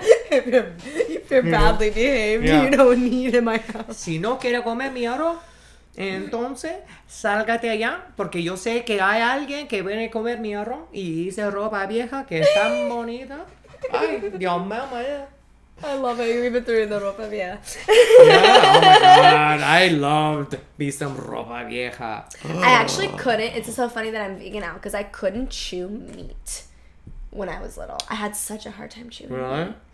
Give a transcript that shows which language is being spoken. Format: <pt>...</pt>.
<en>If you're badly behaved, yeah, you don't need in my house.</en> <es>Si no quiere comer mi arroz, entonces, sálgate allá, porque yo sé que hay alguien que viene a comer mi arroz y dice ropa vieja que es tan bonita. Ay, Dios mío, madre.</es> <en>I love it. You even threw in the ropa vieja. Yeah, oh my God. I loved be some ropa vieja. I actually couldn't. It's so funny that I'm vegan now because I couldn't chew meat when I was little. I had such a hard time chewing meat. Really?</en>